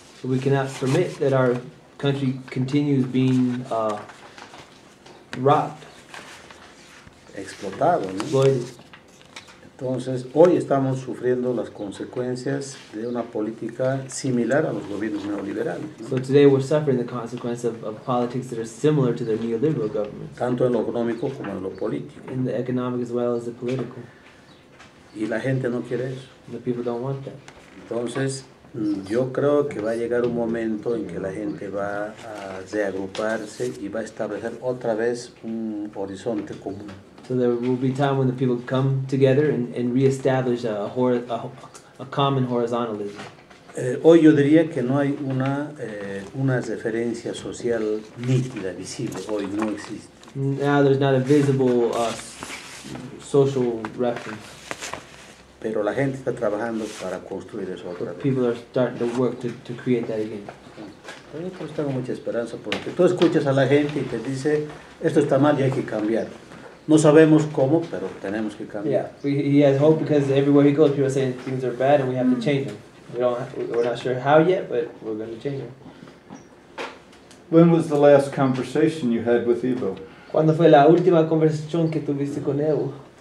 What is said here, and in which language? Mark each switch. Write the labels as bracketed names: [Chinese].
[English] So we cannot permit that our country continues being robbed, [Spanish] explotado, ¿no? [English] Exploited. [Spanish] Entonces, hoy estamos sufriendo las consecuencias de una política similar a los gobiernos neoliberales, ¿no? [English] So today we're suffering the consequence of politics that are similar to the neoliberal government. [Spanish] Tanto en lo económico como en lo político. [English] In the economic as well as the political. [Spanish] Y la gente no quiere eso. [English] The people don't want that. [Spanish] Entonces, yo creo que va a llegar un momento en que la gente va a reagruparse y va a establecer otra vez un horizonte común. [English] So there will be time when the people come together and reestablish a common horizontalism. [Spanish] Hoy yo diría que no hay una referencia social nítida, visible. Hoy no existe. [English] Now there's not a visible social reference. [Spanish] Pero la gente está trabajando para construir eso otra vez. [English] People are starting to work to create that again. [Spanish] Pero yo tengo mucha esperanza porque tú escuchas a la gente y te dice, esto está mal y hay que cambiar. No sabemos cómo, pero tenemos que cambiar. [English] Yeah, he has hope because everywhere he goes, people are saying things are bad and we have to change them. We're not sure how yet, but we're going to change them. When was the last conversation you had with Evo? [Spanish] ¿Cuándo fue la última conversación que tuviste con Evo?